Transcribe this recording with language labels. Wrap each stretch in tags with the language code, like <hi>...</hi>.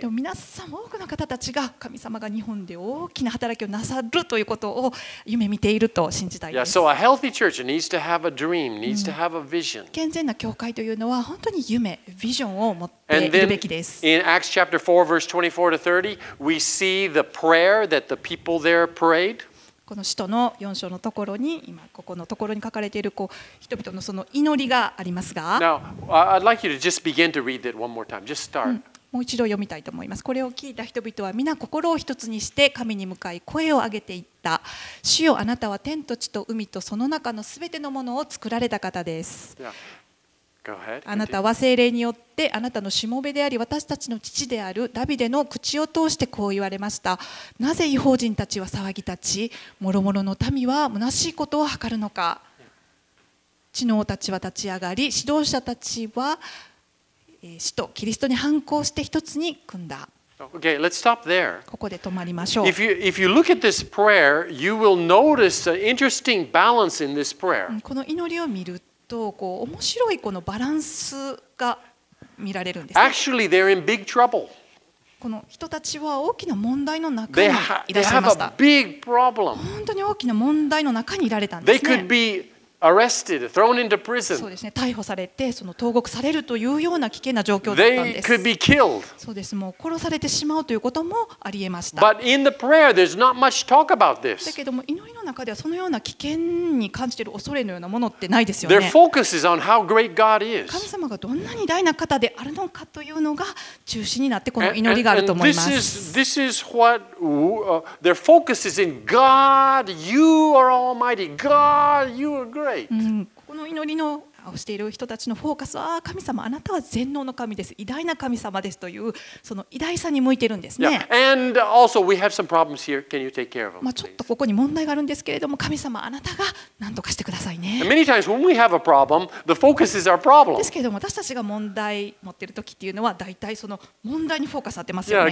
<ja>でも皆さん、多くの方たちが神様が日本で大きな働きをなさるということを夢見ていると信じたいです。</ja> <en>Yeah, so a healthy church needs to have a dream, needs to have a vision.</en> <ja>健全な教会というのは本当に夢、ビジョンを持っているべきです。</ja> <en>In Acts chapter 4 verse 24-30, we see the prayer that the people there prayed.</en> <ja>この使徒の4章のところに、今ここのところに書かれているこう人々のその祈りがありますが。</ja> <en>Now, I'd like you to just begin to read that one more time. Just start.</en> <ja>もう一度読みたいと思います。これを聞いた人々は皆心を一つにして神に向かい声を上げていった。主よ、あなたは天と地と海とその中のすべてのものを作られた方です。</ja> <en>Yeah. Go ahead.</en> <ja>あなたは聖霊によってあなたのしもべであり私たちの父であるダビデの口を通してこう言われました。なぜ異邦人たちは騒ぎ立ち、もろもろの民は虚しいことを図るのか。知能たちは立ち上がり、指導者たちは、使徒キリストに反抗して一つに組んだ。</ja> <en>Okay, let's stop there.</en> <ja>ここで止まりましょう。</ja> <en>If you look at this prayer, you will notice an interesting balance in this prayer.</en> <ja>この祈りを見るとこう面白いこのバランスが見られるんです、ね。</ja> <en>Actually, they're in big trouble.</en> <ja>この人たちは大きな問題の中にいらっしゃいました。</ja> <en>have a big problem.</en> <ja>本当に大きな問題の中にいられたんです</ja> <en>ね。They could be arrested, thrown into prison.</en> <ja>そうですね。逮捕されてその投獄されるというような危険な状況だったんです。</ja> <en>They could be killed.</en> <ja>そうです。もう殺されてしまうということもありえました。</ja> <en>But in the prayer, there's not much talk about this.</en> <ja>だけども祈りの中ではそのような危険に感じている恐れのようなものってないですよね。</ja> <en>Their focus is on how great God is.</en> <ja>神様がどんなに大な方であるのかというのが中心になってこの祈りがあると思います。</ja> <en>This is what their focus is in God. You are Almighty. God, you are great.</en> <ja>この祈りのをしている人たちのフォーカスは、神様、あなたは全能の神です、偉大な神様ですというその偉大さに向いているんですね。</ja> <en>Yeah. And also, we have some problems here. Can you take care of them?</en> <ja>まあちょっとここに問題があるんですけれども、神様、あなたが何とかしてくださいね。</ja> <en>And many times when we have a problem, the focus is our problem.</en> <ja>ですけれども、私たちが問題持っている時っていうのは、大体その問題にフォーカス当てますよね。</ja>